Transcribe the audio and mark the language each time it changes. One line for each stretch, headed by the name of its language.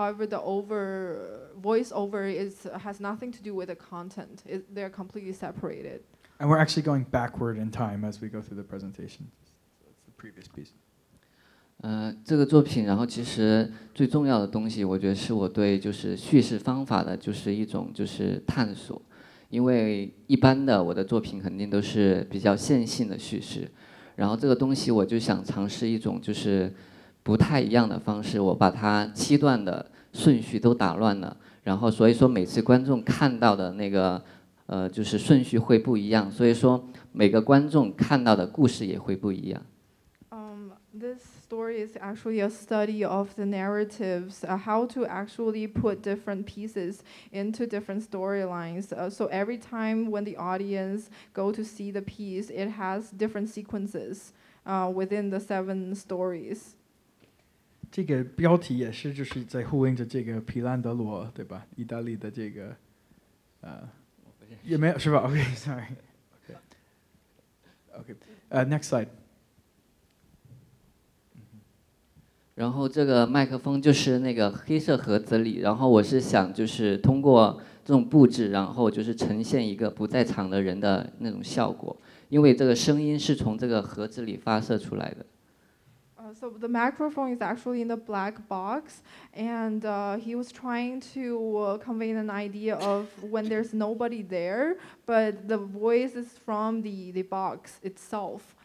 English: However, the voiceover has nothing to do with the content. They're completely separated. And we're actually going backward in time as we go through the presentation. That's the previous piece.
Chinese: 这个作品然后其实最重要的东西我觉得是我对就是叙事方法的就是一种就是探索，因为一般的我的作品肯定都是比较线性的叙事，然后这个东西我就想尝试一种就是不太一样的方式，我把它七段的顺序都打乱了，然后所以说每次观众看到的那个就是顺序会不一样，所以说每个观众看到的故事也会不一样。
English: This story is actually a study of the narratives, how to actually put different pieces into different storylines. So every time when the audience go to see the piece, it has different sequences within the seven stories.
Chinese: 这个标题也是就是在呼应着这个皮兰德罗，对吧？意大利的这个，也没有是吧 ？
English: OK, sorry. Okay. Next slide.
Chinese: 然后这个麦克风就是那个黑色盒子里，然后我是想就是通过这种布置，然后就是呈现一个不在场的人的那种效果，因为这个声音是从这个盒子里发射出来的。
English: So the microphone is actually in the black box, and he was trying to convey an idea of when there's nobody there, but the voice is from the box itself.